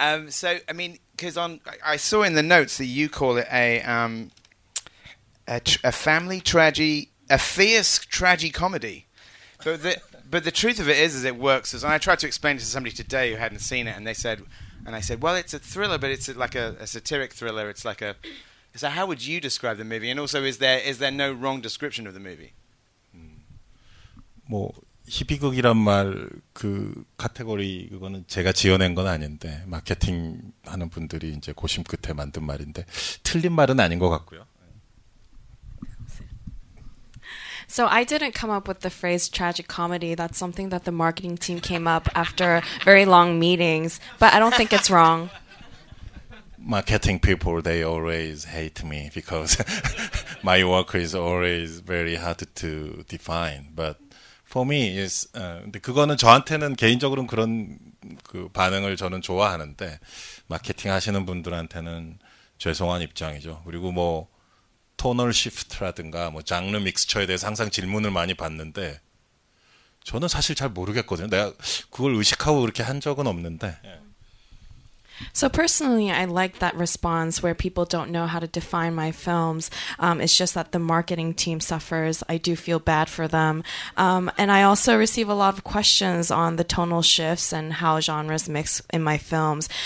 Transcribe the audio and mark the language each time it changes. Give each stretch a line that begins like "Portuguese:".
English: So I mean, because on I saw in the notes that you call it a family tragedy, a fierce tragicomedy, but the. But the truth of it is it works. And I tried to explain it to somebody today who hadn't seen it, and they said, and I said, well, it's a thriller, but it's like a satiric thriller. It's like a... So how would you describe the movie? And also, is there no wrong description of the movie?
Korean: 뭐, 희비극이란 말, 그 카테고리, 그거는 제가 지어낸 건 아닌데, 마케팅 하는 분들이 이제 고심 끝에 만든 말인데, 틀린 말은 아닌 것 같고요.
English: So I didn't come up with the phrase tragic comedy. That's something that the marketing team came up after very long meetings. But I don't think it's wrong. Marketing people, they always hate me because my work is always very hard to define. But for me, it's...
Korean: 근데 그거는 저한테는 개인적으로는 그런 그 반응을 저는 좋아하는데 마케팅 하시는 분들한테는 죄송한 입장이죠. 그리고 뭐 토널 시프트라든가 뭐 장르 믹스처에 대해서 항상 질문을 많이 받는데 저는 사실 잘 모르겠거든요. 내가 그걸 의식하고 그렇게 한 적은 없는데
English: So personally, I like that response where people don't know how to define my films. It's just that the marketing team suffers. I do feel bad for them. And I also receive a lot of questions on the tonal shifts and how genres mix in my films.